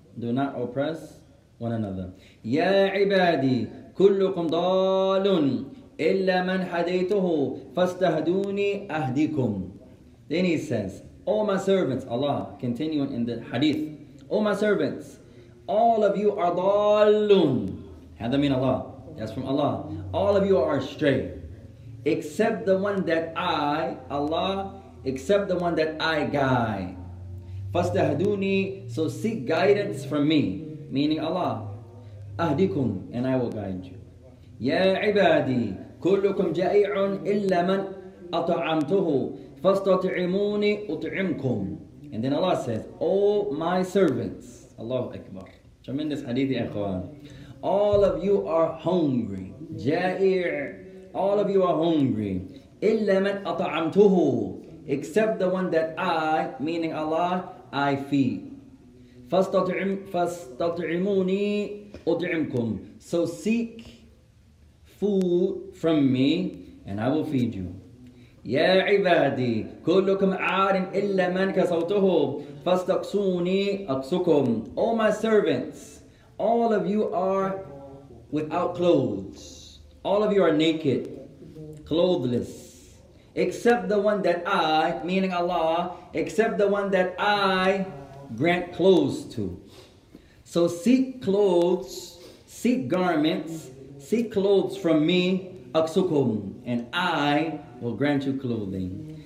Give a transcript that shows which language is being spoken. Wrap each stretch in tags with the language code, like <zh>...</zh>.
<en>Do not oppress one another.</en> <ar>يَا عِبَادِي كُلُّكُمْ ضَالٌ إِلَّا مَنْ هَدَيْتُهُ فَاسْتَهْدُونِي أَهْدِكُمْ</ar> <en>Then he says, O my servants, Allah, continuing in the hadith, O my servants, all of you are ضَالٌ</en> <ar>هذا من الله</ar> <en>That's from Allah. All of you are astray. Except the one that I, Allah, except the one that I guide.</en> <ar>فَاسْتَهْدُونِي</ar> <en>So seek guidance from me. Meaning Allah.</en> <ar>أَهْدِكُمْ</ar> <en>And I will guide you.</en> <ar>يَا عِبَادِي كُلُّكُمْ جَائِعٌ إِلَّا مَنْ أَطَعَمْتُهُ فَاسْتَطِعِمُونِي أُطْعِمْكُمْ</ar> <en>And then Allah says, O my servants. Allahu Akbar. Tremendous hadithi, ikhwan. All of you are hungry. Jair. All of you are hungry.</en> <ar>إِلَّا مَنْ أَطَعَمْتُهُ</ar> <en>Except the one that I, meaning Allah, I feed.</en> <ar>فَاسْتَطْعِمُونِي أُطْعِمْكُمْ</ar> <en>So seek food from me and I will feed you.</en> <ar>يَا عِبَادِي كُلُّكُمْ عَارٍ إِلَّا مَنْ كَسَوْتُهُ فَاسْتَقْسُونِي أَقْسُكُمْ</ar> <en>O my servants. All of you are without clothes. All of you are naked, clothless. Except the one that I, meaning Allah, except the one that I grant clothes to. So seek clothes, seek garments, seek clothes from me,</en> <ar>أكسكم,</ar> <en>and I will grant you clothing.</en>